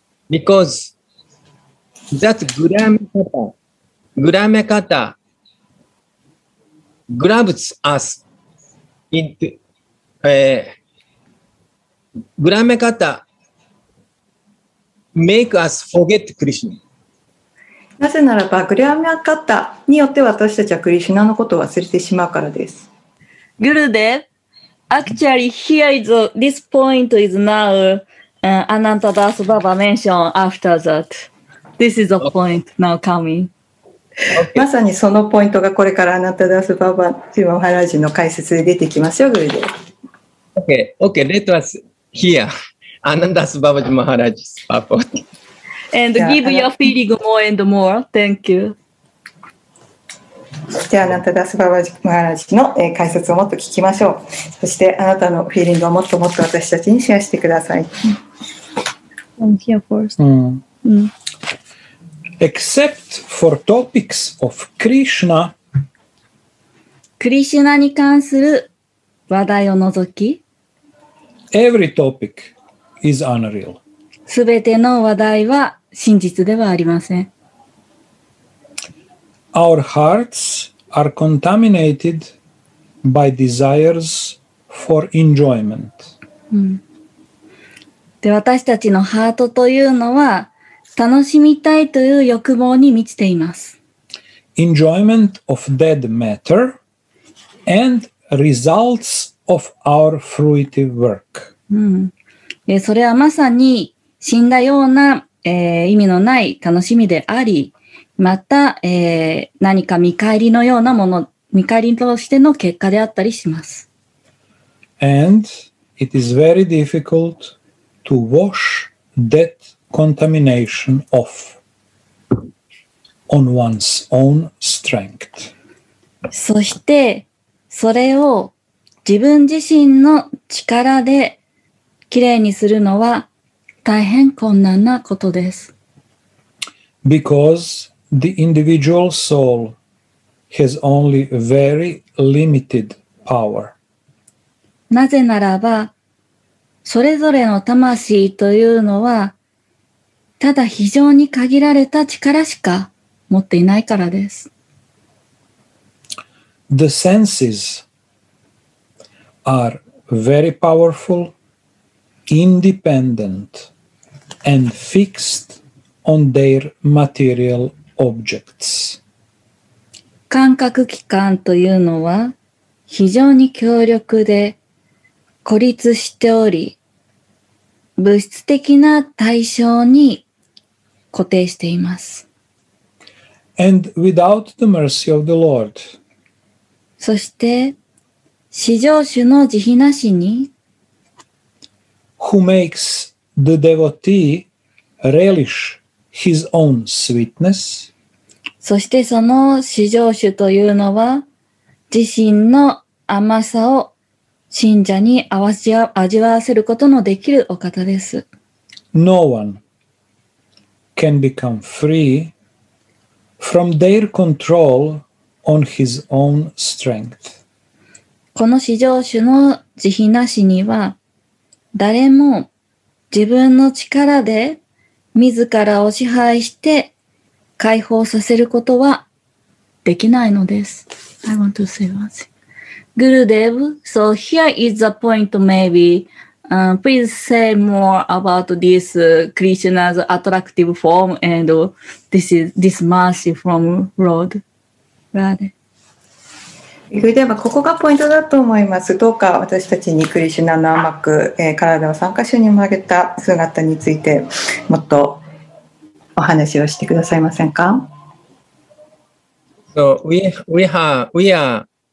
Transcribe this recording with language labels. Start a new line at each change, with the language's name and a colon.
English: Because that grama kata, grama kata grabs us into, grama kata make us forget Krishna.
Japanese: なぜならば、グラマカタによって私たちはクリシュナのことを忘れてしまうからです。
English: Gurudev, actually here is this point is now、Anantadas Baba mentioned after that. This is a point now coming.
Japanese: まさにそのポイントがこれから Anantadas Baba Sri Maharaj の解説で出てきますよ、Gurudev.
English: Okay, okay, let us hear Anantadas Baba Sri Maharaj's purport. And give your feeling more and more. Thank you.
Japanese: じゃあ、あなたダスババジマハラジの、解説をもっと聞きましょう。そしてあなたのフィーリングをもっともっと私たちにシェアしてください。
English: Thank you, first. Except for topics of Krishna.
Japanese: Krishna に関する話題を除き。
English: Every topic is unreal.
Japanese: すべての話題は真実ではありません。
English: Our hearts are contaminated by desires for enjoyment.
Japanese: で、私たちのハートというのは楽しみたいという欲望に満ちています。
English: Enjoyment of dead matter and results of our fruitive work.
Japanese: で、それはまさに死んだような意味のない楽しみであり、また、何か見返りのようなもの、見返りとしての結果であったりします。
English: And it is very difficult to wash that contamination off on one's own strength.
Japanese: そして、それを自分自身の力できれいにするのは大変困難なことです。
English: Because the individual soul has only very limited power.
Japanese: なぜならば、それぞれの魂というのは、ただ非常に限られた力しか持っていないからです。
English: The senses are very powerful, independent. And fixed on their material objects.
Japanese: 感覚器官というのは非常に強力で孤立しており、物質的な対象に固定しています。
English: And without the mercy of the Lord.
Japanese: そして、至上主の慈悲なしに、
English: Who makes the devotee relish his own sweetness.
Japanese: そしてその至上主というのは自身の甘さを信者に味わわせることのできるお方です。
English: No one can become free from their control on his own strength.
Japanese: この至上主の慈悲なしには誰も自分の力で自らを支配して解放させることはできないのです。
English: I want to say one thing. Gurudev, so here is the point maybe.、please say more about this Krishna's attractive form and this, is, this mercy from Lord Radha.
Japanese: それではここがポイントだと思います。どうか私たちにクリシュナの甘く、体を三箇所に曲げた姿についてもっとお話をしてくださいませんか。
English: So we are